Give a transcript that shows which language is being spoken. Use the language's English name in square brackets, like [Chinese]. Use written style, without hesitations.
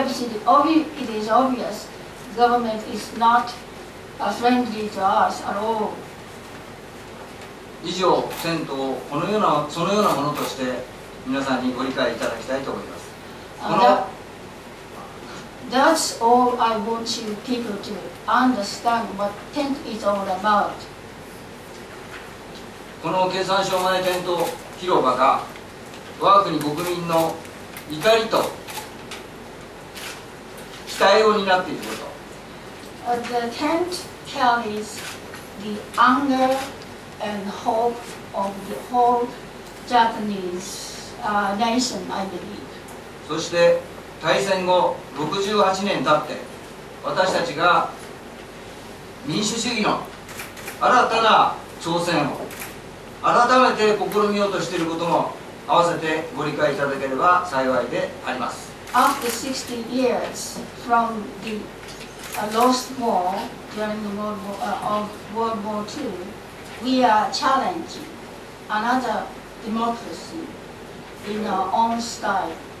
[English] It is obvious the government is not friendly to us at all. [Japanese] 以上、テントをそのようなものとして皆さんにご理解いただきたいと思います。 [English] That's all I want you people to understand what tent is all about. [Japanese] この経産省前テント広場が我が国国民の怒りと期待を担っていること。 [English] The tent carries the anger and hope of the whole Japanese、nation, I believe. [Japanese] そして大戦後68年経って私たちが民主主義の新たな挑戦を改めて試みようとしていることも合わせてご理解いただければ幸いであります。 [English] After 60 years from the lost war during the World War II, we are challenging another democracy in our own style.